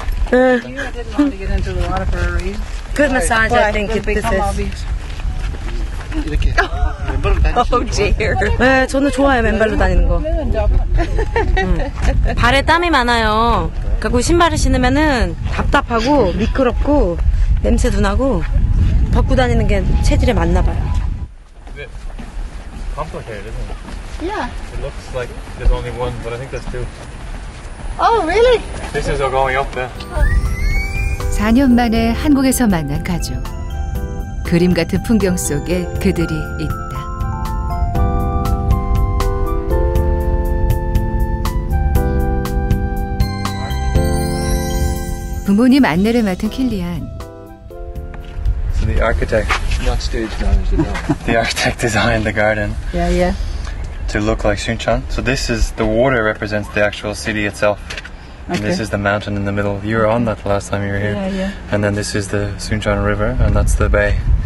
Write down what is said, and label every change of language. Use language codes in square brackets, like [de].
[ko] 네, 저는 좋아요, 맨발로 다니는 거. 발에 땀이 많아요. 그리고 신발을 신으면은 답답하고 미끄럽고 냄새도 나고 벗고 다니는 게 체질에 맞나 봐요. [en] Complicated, isn't it? Yeah. It looks like there's only one, but I think there's two. Oh, really? This is all going up there. [ko] 4년 만에 한국에서 만난 가족. 그림 같은 풍경 속에 그들이 있다. 부모님 안내를 맡은 킬리안. [en] So the architect, not stage manager, the architect designed the garden. Yeah, yeah. To look like Suncheon. So this is the water represents the actual city itself. And okay. This is the mountain in the middle. You were on that the last time you were here. Yeah, yeah. And then this is the Suncheon River, and that's the bay.